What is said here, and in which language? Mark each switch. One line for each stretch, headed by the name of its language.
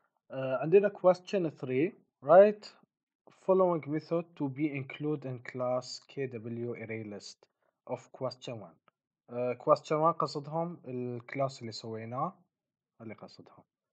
Arabic: عندنا
English: question 3. write following method to be included in class kw array list of question 1. question 1
Arabic: قصدهم الكلاس اللي سويناه اللي قصدهم.